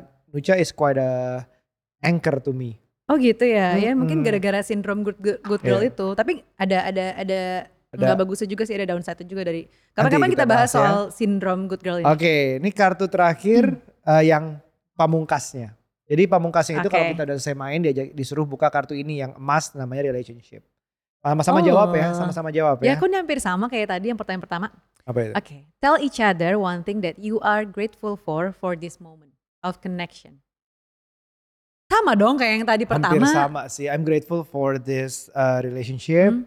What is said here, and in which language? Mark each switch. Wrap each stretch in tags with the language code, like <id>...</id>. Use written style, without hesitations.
<en>Nucha is quite a anchor to me.</en> <id>Oh gitu ya, ya mungkin gara-gara sindrom good girl itu. Tapi ada nggak bagusnya juga sih, ada downside juga dari. Kapan-kapan kita bahas soal sindrom good girl ini. Okay, ini kartu terakhir yang pamungkasnya. Jadi pamungkasnya itu kalau kita udah selesai main, dia disuruh buka kartu ini yang emas, namanya relationship. Sama-sama jawab ya. Ya aku hampir sama kayak tadi yang pertanyaan pertama. Apa itu?</id> <en>Okay, tell each other one thing that you are grateful for this moment of connection.</en> <id>Sama dong kayak yang tadi pertama. Hampir sama sih.</id> <en>I'm grateful for this relationship.</en>